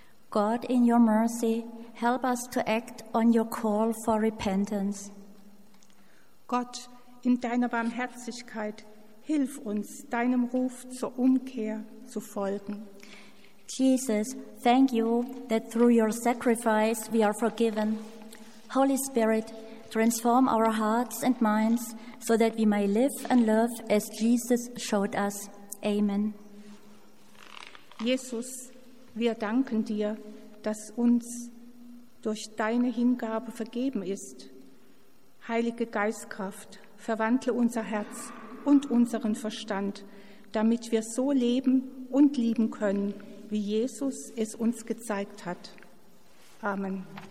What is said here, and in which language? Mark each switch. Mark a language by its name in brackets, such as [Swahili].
[English] God, in your mercy, help us to act on your call for repentance. [German] Gott, in deiner Barmherzigkeit, hilf uns, deinem Ruf zur Umkehr zu folgen. [English] Jesus, thank you that through your sacrifice we are forgiven. Holy Spirit, transform our hearts and minds so that we may live and love as Jesus showed us. Amen. [German] Jesus, wir danken dir, dass uns durch deine Hingabe vergeben ist. Heilige Geistkraft, verwandle unser Herz und unseren Verstand, damit wir so leben und lieben können, wie Jesus es uns gezeigt hat. Amen.